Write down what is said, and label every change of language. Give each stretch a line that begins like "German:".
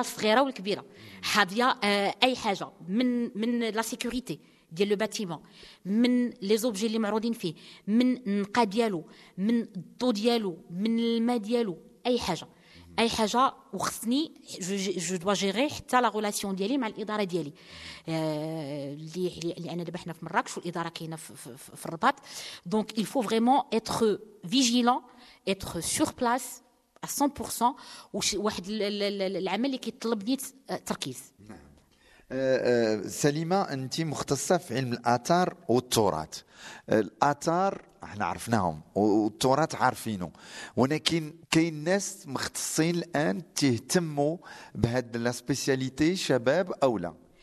Arabic: الصغيره والكبيره، حاضيه اي حاجه من لا سيكوريتي ديال لو باتيمون، من لي زوبجي اللي معروضين فيه، من النقا ديالو، من الضو ديالو، من الماء ديالو، اي حاجه اي حاجه. وخصني
French: جو دو جيري
Arabic: حتى لا غولاسيون ديالي مع الاداره ديالي اللي انا دابا حنا في مراكش، والاداره كاينه في الرباط.
French: دونك il faut vraiment être vigilant, être sur place à 100%،
Arabic: وواحد العمل اللي كيطلبني التركيز. سليمة، انت مختصة في علم الآثار والتراث. الآثار احنا عرفناهم والتراث عارفينه، ولكن كاين ناس مختصين الان تهتموا بهاد لا سبيسياليتي، شباب او لا؟